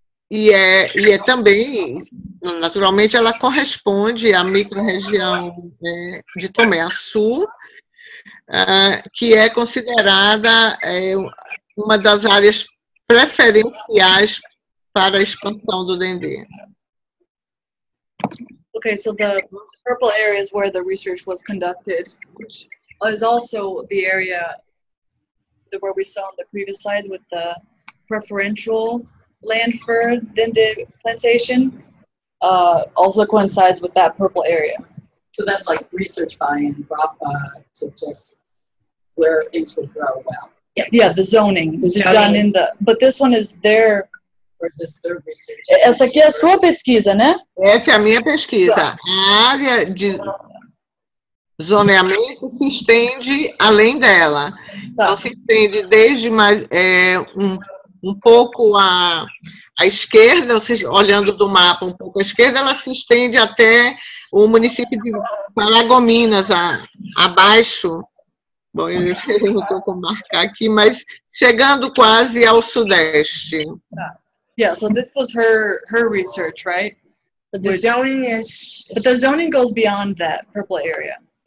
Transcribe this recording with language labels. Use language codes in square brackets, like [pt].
[pt] E é também, naturalmente, ela corresponde à micro-região de Tomé-Açu, que é considerada uma das áreas preferenciais para a expansão do Dendê. [en] Ok, so the purple areas where the research was conducted, which is also the area where we saw on the previous slide with the preferential land for Dendê plantation also coincides with that purple area. So that's like research buy-in, Rafa, to just where things would grow well. Yeah, the zoning. Done in the, but this one is their... Or is this their research? [pt] Essa aqui é a sua pesquisa, né? Essa é a minha pesquisa. A área de zoneamento se estende além dela. Tá. Então se estende desde mais... um pouco à esquerda, ou seja, olhando do mapa um pouco à esquerda, ela se estende até o município de Paragominas, abaixo. Bom, eu não estou com marcar aqui, mas chegando quase ao sudeste. [en] Yeah, so this was her research, right? But the zoning is... But the zoning goes beyond that purple area.